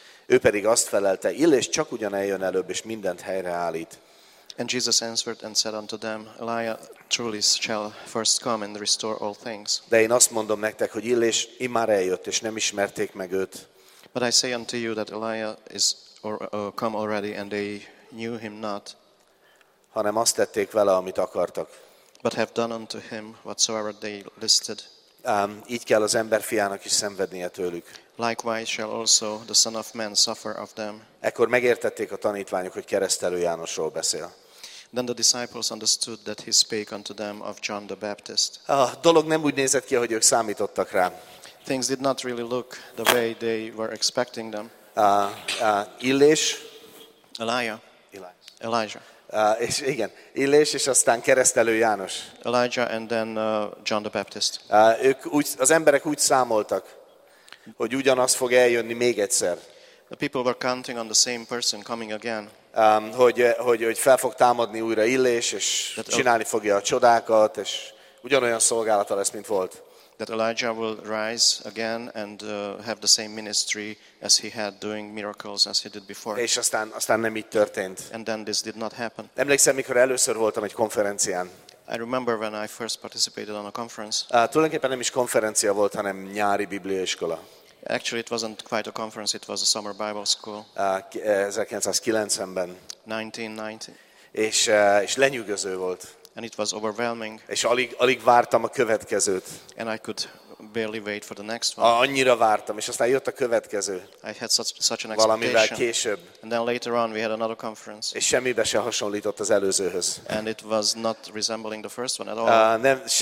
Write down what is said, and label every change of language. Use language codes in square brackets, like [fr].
[hu] Ő pedig azt felelte, Illés csak ugyan eljön előbb, és mindent helyreállít. [en] And Jesus answered and said unto them, Elias truly shall first come and restore all things. [hu] De én azt mondom nektek, hogy Illés immár eljött, és nem ismerték meg őt. [en] But I say unto you that Elias is come already, and they knew him not, [hu] hanem azt tették vele, amit akartak. [en] But have done unto him whatsoever they listed. [hu] Így kell az ember fiának is szenvednie tőlük. [en] Likewise shall also the son of man suffer of them. [hu] Ekkor megértették a tanítványok, hogy Keresztelő Jánosról beszél. [en] Then the disciples understood that he spake unto them of John the Baptist. [hu] A dolog nem úgy nézett ki, hogy ők számítottak rá. [en] Things did not really look the way they were expecting them. [hu] Illés. [en] Elijah. [hu] És igen, Illés és aztán Keresztelő János. [en] Elijah and then John the Baptist. [hu] Az emberek úgy számoltak, hogy ugyanaz fog eljönni még egyszer. [en] The people were counting on the same person coming again. [hu] Hogy fel fog támadni újra Illés és csinálni fogja a csodákat és ugyanolyan szolgálata lesz, mint volt. [en] That Elijah will rise again and have the same ministry as he had doing miracles as he did before. [hu] És aztán nem így történt. [en] And then this did not happen. [hu] Emlékszem, mikor először voltam egy konferencián. [en] I remember when I first participated on a conference. [hu] Tulajdonképpen nem is konferencia volt, hanem nyári bibliaiskola. [en] Actually it wasn't quite a conference, it was a summer Bible school. [hu] 1990-ben. És lenyűgöző volt. [en] And it was overwhelming. [hu] És alig vártam a következőt. [en] And I could barely wait for the next one. [hu] Annyira vártam, és aztán jött a következő. [en] I had such an expectation. [hu] Valamivel később. [en] And then later on we had another conference. [hu] És semmibe se hasonlított az előzőhöz. [en] And it was not resembling the first one at all.